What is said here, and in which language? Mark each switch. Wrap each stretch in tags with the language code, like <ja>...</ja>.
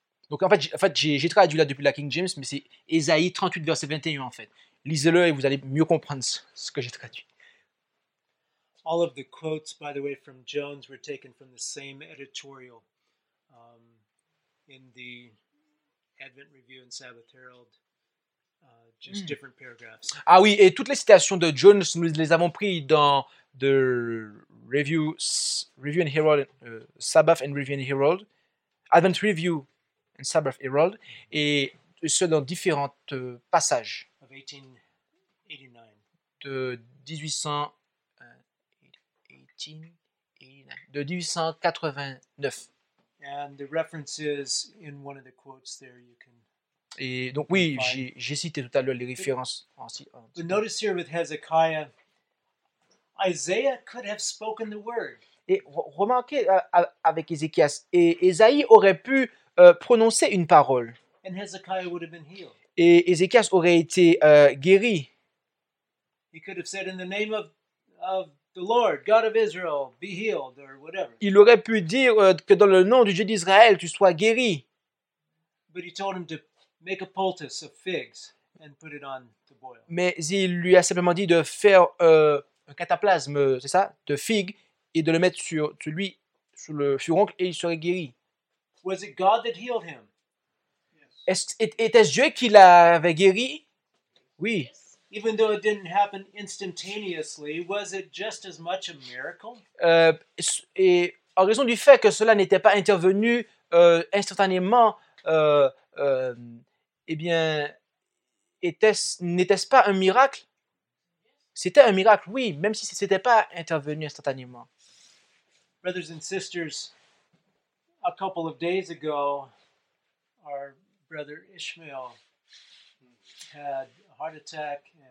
<fr>Donc, j'ai traduit là depuis la King James, mais c'est Ésaïe 38, verset 21, en fait. Lisez-le et vous allez mieux comprendre ce que j'ai traduit.</fr> <en>All of the quotes, by the way, from Jones were taken from the same editorial. In the Advent Review and Sabbath Herald, just different paragraphs.</en> <fr>Ah oui, et toutes les citations de Jones, nous les avons prises dans The Review and Herald, Sabbath and Review and Herald, Advent Review and Sabbath Herald, et ce dans différents passages.</fr> <en>Of 1889.</en> <fr>De 1889.</fr> <en>And the references in one of the quotes there you can.</en> <fr>Et donc oui, j'ai cité tout à l'heure les références.</fr> <en>But notice here with Hezekiah, Isaiah could have spoken the word.</en> <fr>Et remarquez avec Ézéchias, et Ésaïe aurait pu prononcer une parole.</fr> <en>And Hezekiah would have been healed.</en> <fr>Et Ézéchias aurait été guéri.</fr> <en>He could have said in the name of the Lord, God of Israel, be healed or whatever.</en> <fr>Il aurait pu dire que dans le nom du Dieu d'Israël, tu sois guéri.</fr> <en>But he told him to make a poultice of figs and put it on to boil.</en> <fr>Mais il lui a simplement dit de faire un cataplasme, c'est ça, de figue, et de le mettre sur lui, sur le furoncle, et il serait guéri.</fr> <en>Was it God that healed him? Yes.</en> <fr>Était-ce Dieu qui l'avait guéri? Oui.</fr> <en>Even though it didn't happen instantaneously, was it just as much a miracle?</en> <fr>Et en raison du fait que cela n'était pas intervenu instantanément, eh bien, n'était-ce pas un miracle? C'était un miracle, oui, même si ce n'était pas intervenu instantanément.</fr> <en>Brothers and sisters, a couple of days ago, our brother Ishmael had a heart attack.</en>